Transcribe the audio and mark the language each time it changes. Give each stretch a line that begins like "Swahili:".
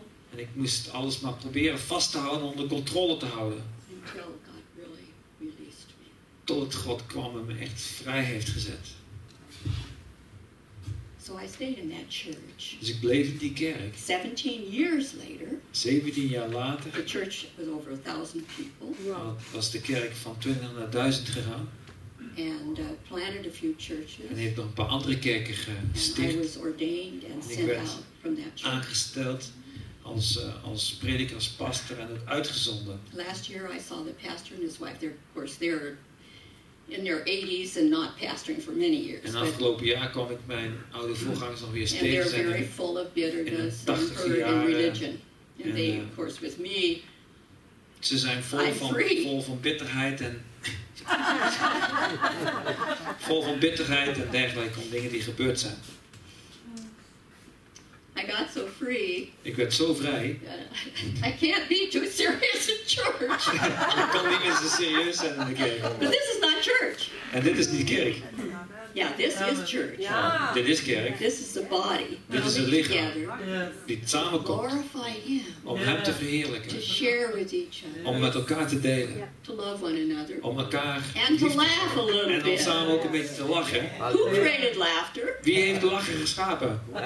Dutch: En ik moest alles maar proberen vast te houden, onder controle te houden.
English: Until God really released me.
Dutch: Tot God kwam en me echt vrij heeft gezet.
English: So I stayed in that church.
Dutch: Dus ik bleef in die kerk.
English: 17 years later.
Dutch: 17 jaar later.
English: The church was over 1,000 people. Wow.
Dutch: Was de kerk van 20 naar 1,000 gegaan.
English: And planted a few churches.
Dutch: En heeft nog een paar andere kerken gesticht.
English: And I was ordained and sent out from that church.
Dutch: Aangesteld als prediker, als pastor en het uitgezonden.
English: Last year I saw the pastor and his wife. They're, of course, they're in their 80s and not pastoring for many years.
Dutch: En afgelopen jaar kwam ik mijn oude voorgangers nog weer steeds
English: and they're very full of bitterness and hurt and religion. And they, of course, with me.
Dutch: Ze zijn vol van bitterheid en vol van bitterheid en dergelijke om dingen die gebeurd zijn.
English: I got so free.
Dutch: Ik werd zo vrij.
English: I can't be too serious in church.
Dutch: Ik kan niet meer zo serieus zijn in de kerk.
English: But this is not church.
Dutch: En dit is niet kerk.
English: Yeah, this is church. Yeah.
Dutch: Dit is kerk.
English: This is the body.
Dutch: Dit is het lichaam. Die samenkomt.
English: Glorify him.
Dutch: Om hem te verheerlijken.
English: To share with each other.
Dutch: Om met elkaar te delen.
English: Yeah. To love one another.
Dutch: Om elkaar.
English: And to laugh a little bit.
Dutch: En om samen ook een beetje te lachen.
English: Who created laughter?
Dutch: Wie heeft lachen geschapen?